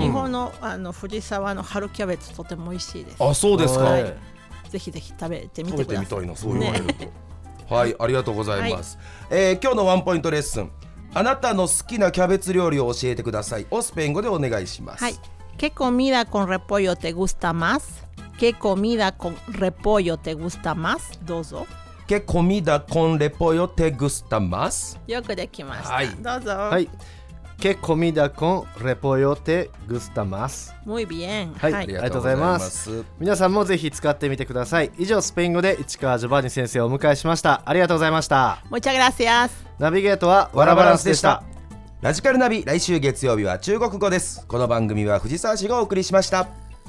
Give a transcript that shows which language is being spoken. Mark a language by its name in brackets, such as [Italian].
[Japanese] 日本 の藤沢の春キャベツとても美味しいです。あ、そうですか、はい、ぜひぜひ食べてみてください。食べてみたいな、そう言われると、ね。はい、ありがとうございます、はい、今日のワンポイントレッスン、あなたの好きなキャベツ料理を教えてくださいをスペイン語でお願いします。 [Spanish] はい、¿Qué comida con repollo te gusta más? ¿Qué comida con repollo te gusta más? [Japanese] どうぞ。 [Spanish] ¿Qué comida con repollo te gusta más? [Japanese] よくできました、はい、どうぞ、 [Spanish] はい、¿Qué comida con repollo te gusta más? Muy bien、 [Japanese] はい、ありがとうございます、はい、皆さんもぜひ使ってみてください。以上、スペイン語で市川ジョバニ先生をお迎えしました。ありがとうございました。 [Spanish] Muchas gracias。 [Japanese] ナビゲートはワラバランスでした。ラジカルナビ、来週月曜日は中国語です。この番組は藤沢氏がお送りしました。